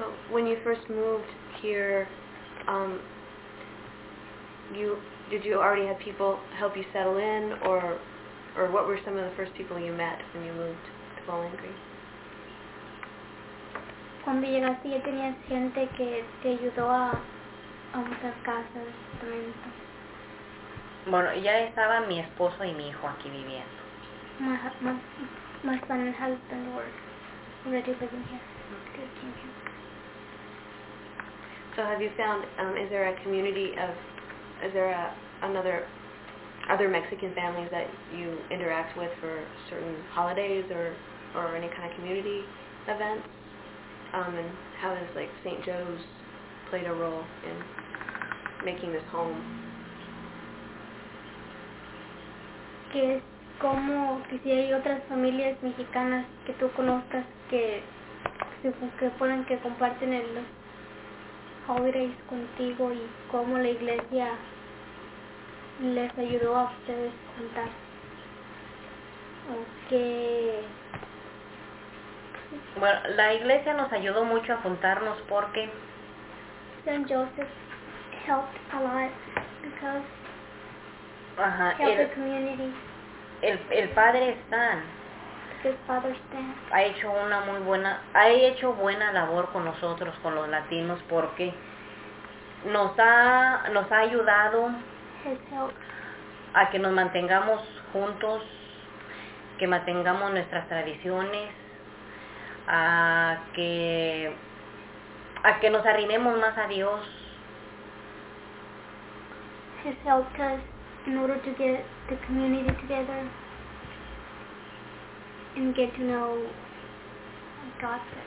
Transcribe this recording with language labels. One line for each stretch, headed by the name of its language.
English: So when you first moved here, did you already have people help you settle in, or what were some of the first people you met when you moved to Bowling Green?
Spanish: Cuando llegaste, ya tenías gente que te ayudó a buscar casas. Bueno, ya estaba mi esposo y mi hijo aquí viviendo.
English: My My son and husband were already living here. So have you found, is there a community of, is there a, another, other Mexican families that you interact with for certain holidays or any kind of community events? And how has, like, St. Joe's played a role in making this home?
Spanish: Que es como que si hay otras familias mexicanas que tú conozcas que ponen que comparten el holidays contigo y cómo la iglesia les ayudó a ustedes contar. Aunque bueno, la iglesia nos ayudó mucho a juntarnos porque
English: St. Joseph helped a lot because helped the community.
Spanish: El padre Stan,
English: his father Stan
Spanish: ha hecho una muy buena, ha hecho buena labor con nosotros, con los latinos, porque nos ha ayudado a que nos mantengamos juntos, que mantengamos nuestras tradiciones, a que nos arrimemos más a Dios.
English: His help us in order to get the community together and get to know God